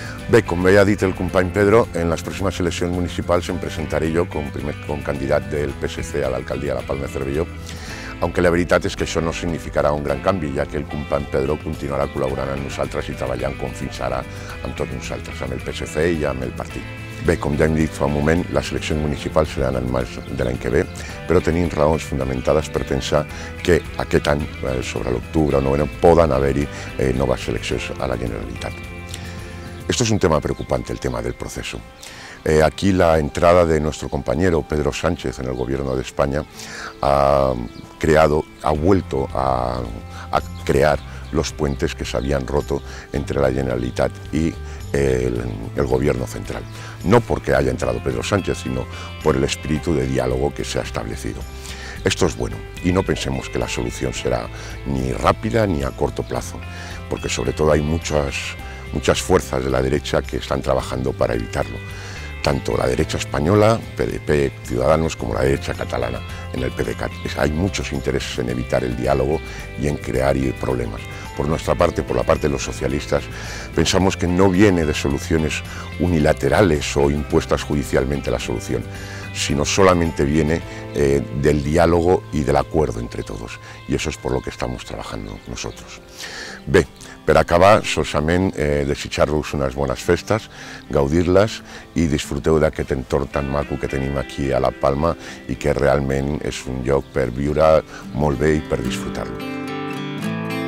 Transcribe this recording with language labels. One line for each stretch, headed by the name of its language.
Catalan: Bé, com bé ha dit el company Pedro, en les pròximes eleccions municipals em presentaré jo com candidat del PSC a l'alcaldia de la Palma de Cervelló, aunque la veritat és que això no significarà un gran canvi, ja que el company Pedro continuarà col·laborant amb nosaltres i treballant com fins ara amb tots nosaltres, amb el PSC i amb el partit. Bé, com ja hem dit fa un moment, les eleccions municipals seran el març de l'any que ve, però tenim raons fundamentades per pensar que aquest any, sobre l'octubre o novembre, poden haver-hi noves eleccions a la Generalitat.
Spanish: Esto es un tema preocupante, el tema del proceso. Aquí la entrada de nuestro compañero Pedro Sánchez en el gobierno de España ha vuelto a crear los puentes que se habían roto entre la Generalitat y el gobierno central. No porque haya entrado Pedro Sánchez, sino por el espíritu de diálogo que se ha establecido. Esto es bueno y no pensemos que la solución será ni rápida ni a corto plazo, porque sobre todo hay muchas fuerzas de la derecha que están trabajando para evitarlo, tanto la derecha española, PDP, Ciudadanos, como la derecha catalana en el PDeCAT. Hay muchos intereses en evitar el diálogo y en crear problemas. Por nuestra parte, por la parte de los socialistas, pensamos que no viene de soluciones unilaterales o impuestas judicialmente la solución, sino solamente viene del diálogo y del acuerdo entre todos. Y eso es por lo que estamos trabajando nosotros.
Catalan: Bé, per acabar, solament desitjar-vos unes bones festes, gaudir-les i disfruteu d'aquest entorn tan maco que tenim aquí a la Palma i que realment és un lloc per viure molt bé i per disfrutar-lo.